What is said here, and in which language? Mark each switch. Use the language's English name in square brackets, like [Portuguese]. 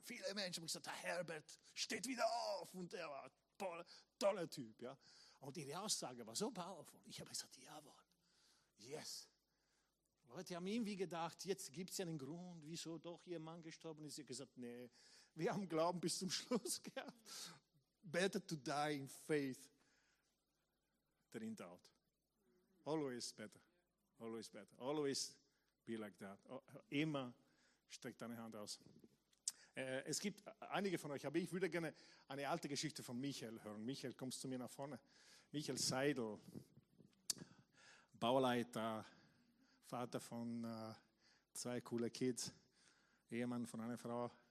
[German] Viele Menschen haben gesagt, der Herbert steht wieder auf. Und er war ein toller Typ. Ja. Und ihre Aussage war so powerful. Ich habe gesagt, jawohl, yes. Leute haben irgendwie gedacht, jetzt gibt es ja einen Grund, wieso doch ihr Mann gestorben ist. Sie haben gesagt, nee, wir haben Glauben bis zum Schluss gehabt. [English] Better to die in faith than in doubt. Always better. Always better. Always be like that. [German] Immer streckt deine Hand aus. Es gibt einige von euch, aber ich würde gerne eine alte Geschichte von Michael hören. Michael, kommst du mir nach vorne? Michael Seidel, Bauleiter, Vater von zwei coole Kids, Ehemann von einer Frau.